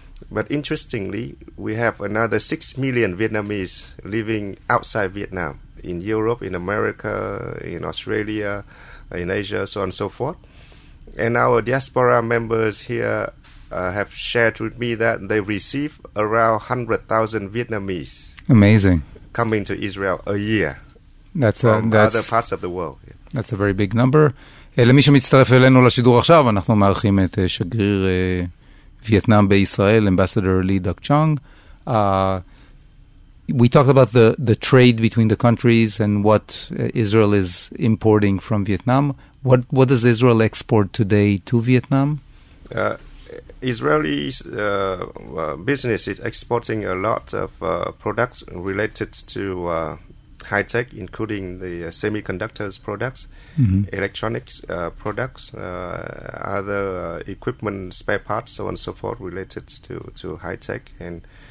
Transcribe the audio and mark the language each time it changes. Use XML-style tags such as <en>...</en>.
<en>But interestingly, we have another 6 million Vietnamese living outside Vietnam, in Europe, in America, in Australia, in Asia, so on and so forth. And our diaspora members here have shared with me that they receive around 100,000 Vietnamese. Amazing. Coming to Israel a year. That's other parts of the world. That's a very big number.</en> <he>למי שמצטרף אלינו לשידור עכשיו, אנחנו מארחים את שגריר וייטנאם בישראל, Ambassador Lee Duc Chung.</he> <en>We talked about the trade between the countries and what Israel is importing from Vietnam. What does Israel export today to Vietnam? Israeli business is exporting a lot of products related to high tech, including the semiconductors products, electronics products, other equipment, spare parts, so on and so forth, related to high tech and</en>